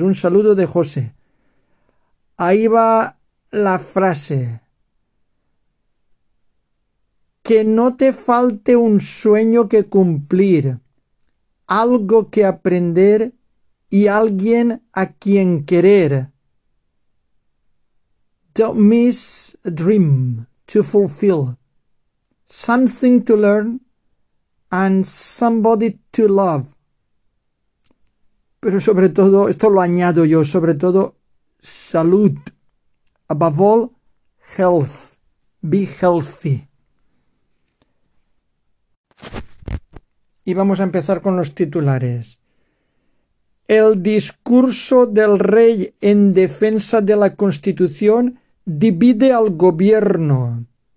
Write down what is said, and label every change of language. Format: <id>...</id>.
<es>Un saludo de José. Ahí va la frase. Que no te falte un sueño que cumplir, algo que aprender y alguien a quien querer.</es> <en>Don't miss a dream to fulfill. Something to learn and somebody to love.</en> <es>Pero sobre todo, esto lo añado yo, sobre todo, salud.</es> <en>Above all, health. Be healthy.</en> <es>Y vamos a empezar con los titulares. El discurso del rey en defensa de la Constitución divide al gobierno.</es>